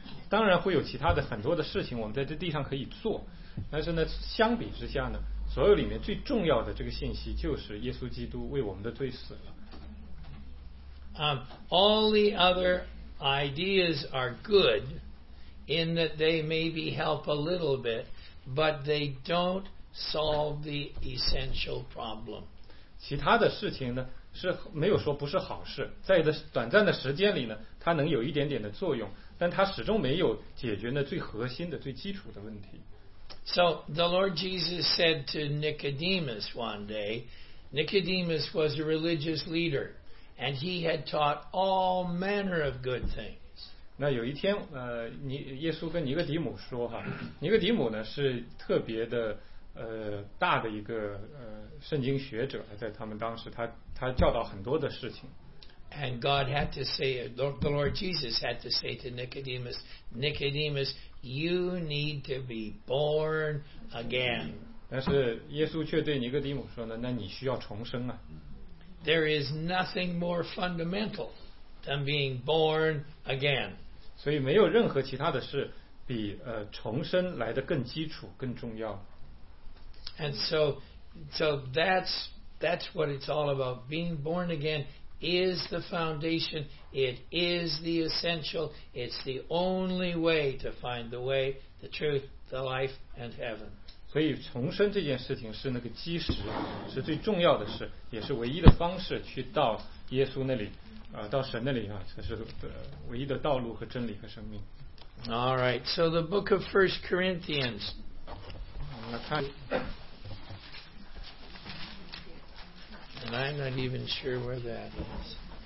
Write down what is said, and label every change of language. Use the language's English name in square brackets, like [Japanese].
[Chinese] 当然会有其他的很多的事情我们在这地上可以做，但是呢，相比之下呢，所有里面最重要的这个信息就是耶稣基督为我们的罪死了。 [English] All the other ideas are good in that they maybe help a little bit, but they don't solve the essential problem. [Chinese] 其他的事情呢是没有说不是好事，在的短暂的时间里呢，它能有一点点的作用，但它始终没有解决呢最核心的最基础的问题。 [English] So the Lord Jesus said to Nicodemus one day, Nicodemus was a religious leader and he had taught all manner of good things. [Chinese] 那有一天耶稣跟尼哥底母说哈，尼哥底母呢是特别的大的一个圣经学者，在他们当时他教导很多的事情。 [English] And God had to say, the Lord Jesus had to say to Nicodemus, Nicodemus, you need to be born again. [Chinese] 但是耶稣却对尼哥底母说呢，那你需要重生啊。 [English] There is nothing more fundamental than being born again. [Chinese] 所以没有任何其他的事比重生来得更基础更重要。 [English] And so that's what it's all about. Being born again is the foundation. It is the essential. It's the only way to find the way, the truth, the life, and heaven. [Chinese] 所以重生这件事情是那个基石，是最重要的事，也是唯一的方式去到耶稣那里，到神那里啊，这是唯一的道路和真理和生命。 [English] All right, so the book of First Corinthians. [Chinese] 我们来看。 [English] And I'm not even sure where that is.